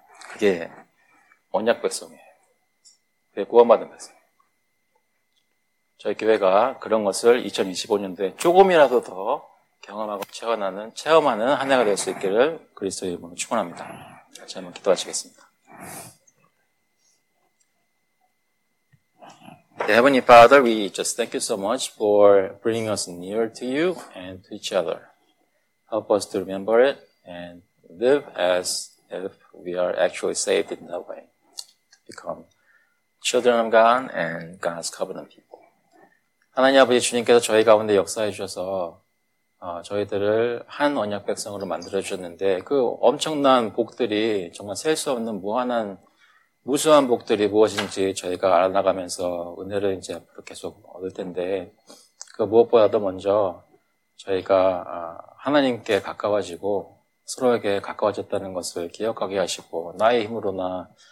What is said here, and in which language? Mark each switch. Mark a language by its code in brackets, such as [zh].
[ko] 그게 언약 백성이에요. 그게 구원받은 백성이에요. 저희 교회가 그런 것을 2025년도에 조금이라도 더 경험하고 체험하는 한 해가 될 수 있기를 그리스도의 이름으로 축원합니다. 같이 한번 기도하시겠습니다. [en] Heavenly Father, we just thank you so much for bringing us near to you and to each other. Help us to remember it and live as if we are actually saved in that way, to become children of God and God's covenant people. [ko] 하나님 아버지 주님께서 저희 가운데 역사해 주셔서 저희들을 한 언약 백성으로 만들어 주셨는데 그 엄청난 복들이 정말 셀 수 없는 무한한 무수한 복들이 무엇인지 저희가 알아나가면서 은혜를 이제 앞으로 계속 얻을 텐데 그 무엇보다도 먼저 저희가 하나님께 가까워지고 서로에게 가까워졌다는 것을 기억하게 하시고 나의 힘으로나